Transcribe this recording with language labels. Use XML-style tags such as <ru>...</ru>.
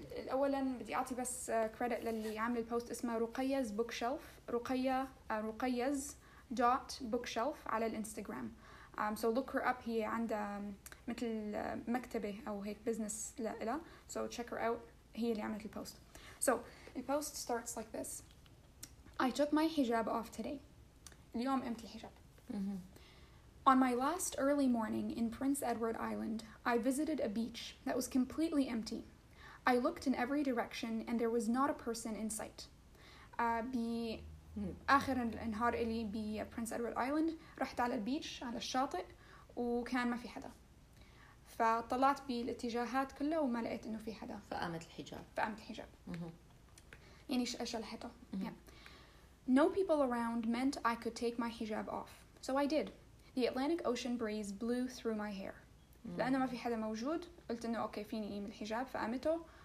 <ar>أولاً بدي أعطي بس credit للي عامل البوست اسمه رقيز bookshelf. رقيز dot bookshelf على الإنستغرام.</ar> <en>So look her up.</en> <ar>هي عندها مثل مكتبة أو هيك business لإلا.</ar> <en>So check her out.</en> <ar>هي اللي عملت البوست.</ar> <en>So the post starts like this. I took my hijab off today.</en> <ar>اليوم قمت الحجاب.</ar> <en>On my last early morning in Prince Edward Island, I visited a beach that was completely empty. I looked in every direction and there was not a person in sight.</en> <ar>بآخر النهار اللي بPrince Edward Island رحت على البيتش على الشاطئ وكان ما في حدا. فطلعت بالاتجاهات كلها وما لقيت انه في حدا. فقامت الحجاب. يعني شلحته.</ar> <en>No people around meant I could take my hijab off. So I did. The Atlantic Ocean breeze blew through my hair.</en> <ar>لأنه ما في حدا موجود قلت انه اوكي فيني اقيم الحجاب فقامته.</ar>